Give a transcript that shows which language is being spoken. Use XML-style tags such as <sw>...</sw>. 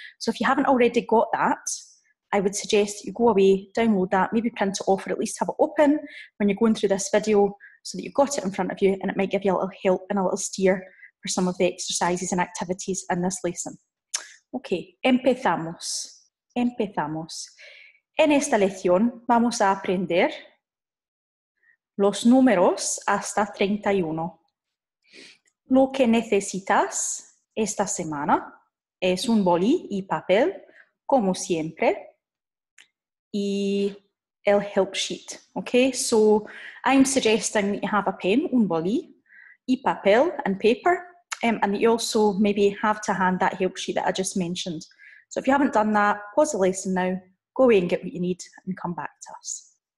<en>So if you haven't already got that, I would suggest you go away, download that, maybe print it off or at least have it open when you're going through this video so that you've got it in front of you and it might give you a little help and a little steer for some of the exercises and activities in this lesson.</en> <es>Okay, empezamos. Empezamos. En esta lección vamos a aprender los números hasta 31. Lo que necesitas esta semana es un boli y papel, como siempre. Y el help sheet.</es> <en>Okay, so I'm suggesting that you have a pen,</en> <es>un boli, y papel,</es> <en>and paper, and that you also maybe have to hand that help sheet that I just mentioned. So if you haven't done that, pause the lesson now, go away and get what you need and come back to us.</en>